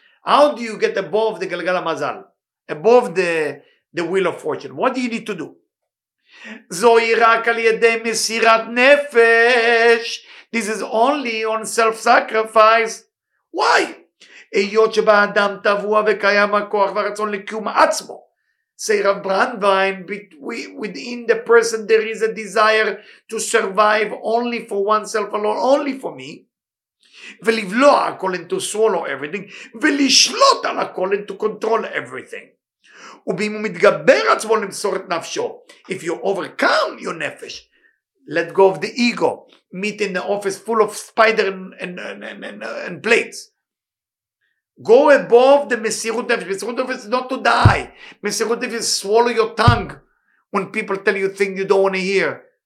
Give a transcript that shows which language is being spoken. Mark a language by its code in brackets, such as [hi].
[en] How do you get above the גלגל המזל? Above the wheel of fortune? What do you need to do? [he] זוהי רק על ידי מסירת נפש. [en] This is only on self-sacrifice. Why? [he] היות שבאדם תבוע וקיים הכוח והרצון לקיום עצמו. [en] Say Rav Brandwein, within the person there is a desire to survive only for oneself alone, only for me. [he] ולבלוע הכל [en] and to swallow everything. [he] ולשלוט על הכל [en] and to control everything. [he] ובאם הוא מתגבר עצמו למסור את נפשו. [en] If you overcome your nefesh, let go of the ego. Meet in the office full of spider and plates. Go above the Mesirut Nefesh. Mesirut Nefesh is not to die. Mesirut Nefesh is swallow your tongue when people tell you things you don't want to hear.